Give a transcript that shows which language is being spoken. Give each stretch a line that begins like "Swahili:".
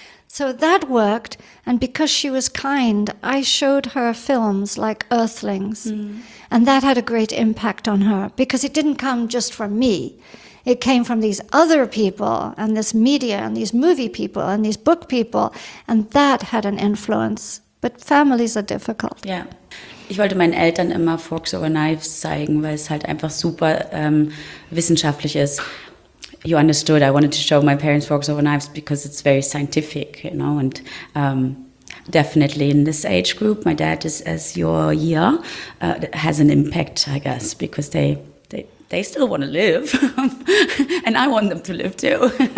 English: So that worked. And because she was kind, I showed her films like Earthlings. Mm. And that had a great impact on her, because it didn't come just from me. It came from these other people and this media and these movie people and these book people, and that had an influence. But families are difficult. Yeah.
German: Ich wollte meinen Eltern immer Forks over Knives zeigen, weil es halt einfach super wissenschaftlich ist.
English: You understood, I wanted to show my parents Forks over Knives because it's very scientific, you know, and definitely in this age group, my dad is as your year, has an impact, I guess, because they still want to live, and I want them to live too.